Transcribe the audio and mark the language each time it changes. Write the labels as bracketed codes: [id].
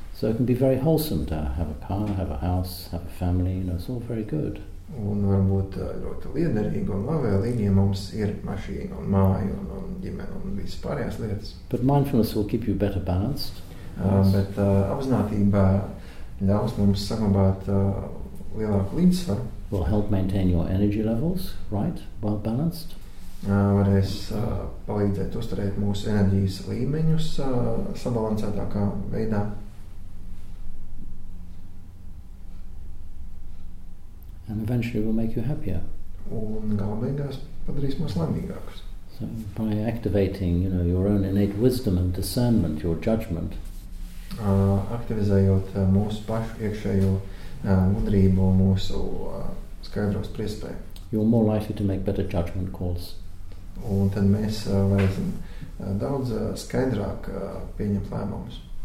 [en] So it can be very wholesome to have a car, have a house, have a family, you know, it's all very good. [lv] Un varbūt ļoti liederīgi un labvēlīgi, ja mums ir mašīna un māja un ģimene un visas pārējās lietas. [en] But mindfulness will keep you better balanced. [lv] Bet apzinātība ļaus mums saglabāt lielāku līdzsvaru. [en] Will help maintain your energy levels, right, well balanced. [lv] Varēs palīdzēt uzturēt mūsu enerģijas līmeņus sabalansētākā veidā. [en] And eventually will make you happier. [lv] Un galvenais padarīs mūs laimīgākus. [en] So by activating, you know, your own innate wisdom and discernment, your judgment. [lv] Aktivizējot mūsu pašu iekšējo gudrību, mūsu skaidros priespēju. [en] You're more likely to make better judgment calls. [lv] Un tad mēs varēsim daudz skaidrāk pieņemt lēmumus.